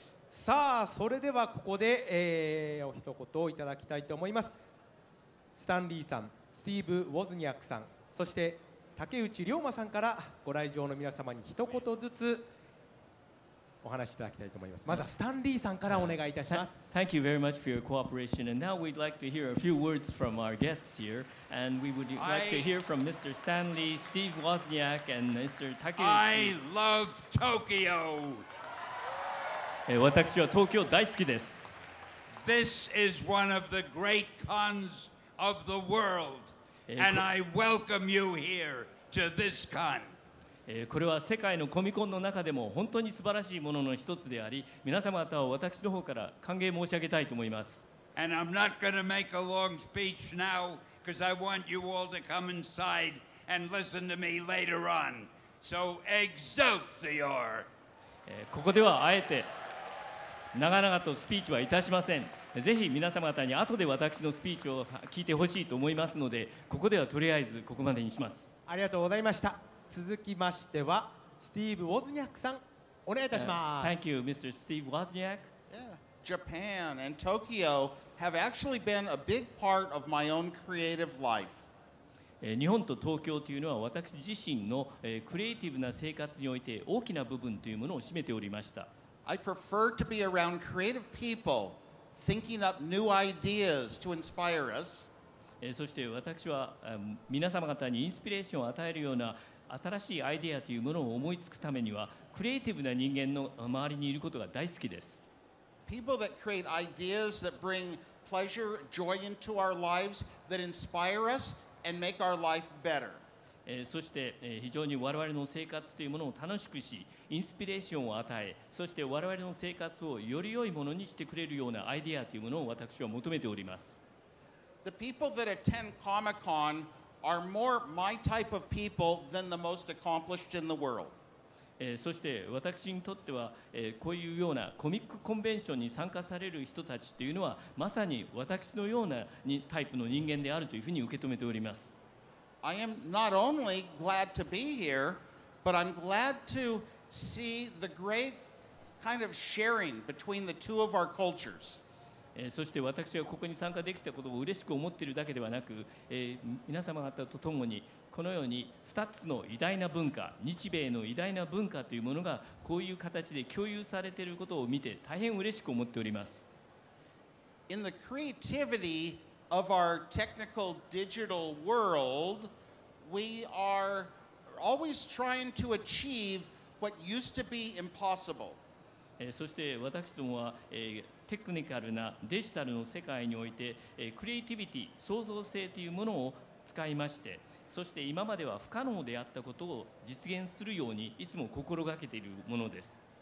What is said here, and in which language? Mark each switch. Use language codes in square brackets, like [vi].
[ja] さあそれではここで、お一言をいただきたいと思います。スタンリーさん、スティーブ・ウォズニアックさん、そして竹内涼真さんからご来場の皆様に一言ずつお話しいただきたいと思います。まずはスタンリーさんからお願いいたします。 [en] Thank you very much for your cooperation. And now we'd like to hear a few words from our guests here. And we would like to hear from Mr. Stanley, Steve Wozniak and Mr. Takeuchi. I love Tokyo. [ja] 私は東京大好きです。 [en] This is one of the great cons of the world. And I welcome you here to this con. [ja] これは世界のコミコンの中でも本当に素晴らしいものの一つであり、皆様方を私の方から歓迎申し上げたいと思います。 [en] And I'm not going to make a long speech now because I want you all to come inside and listen to me later on. So excelsior! [ja] ここではあえて長々とスピーチはいたしません。ぜひ皆様方に後で私のスピーチを聞いてほしいと思いますので、ここではとりあえずここまでにします。ありがとうございました。続きましてはスティーブ・ウォズニャックさん、お願いいたします。 [en] Thank you, Mr. Steve Wozniak. Japan and Tokyo have actually been a big part of my own creative life. [ja] 日本と東京というのは私自身のクリエイティブな生活において大きな部分というものを占めておりました。 [en] I prefer to be around creative people, thinking up new ideas to inspire us. [ja] そして私は皆様方にインスピレーションを与えるような新しいアイデアというものを思いつくためには、クリエイティブな人間の周りにいることが大好きです。 [en] People that create ideas that bring pleasure, joy into our lives, that inspire us and make our life better. [ja] そして非常に我々の生活というものを楽しくし、インスピレーションを与え、そして我々の生活をより良いものにしてくれるようなアイデアというものを私は求めております。 [en] The people that attend Comic-Con are more my type of people than the most accomplished in the world. [ja] そして私にとっては、こういうようなコミックコンベンションに参加される人たちというのはまさに私のようなタイプの人間であるというふうに受け止めております。 [en] I am not only glad to be here, but I'm glad to see the great kind of sharing between the two of our cultures. [ja] そして私がここに参加できたことを嬉しく思っているだけではなく、皆様方とともにこのように2つの偉大な文化、日米の偉大な文化というものがこういう形で共有されていることを見て大変嬉しく思っております。 [en] In the creativity of our technical digital world, we are always trying to achieve what used to be impossible. [ja] そして私どもは、テクニカルなデジタルの世界において、クリエイティビティ、創造性というものを使いまして、そして今までは不可能であったことを実現するようにいつも心がけているものです。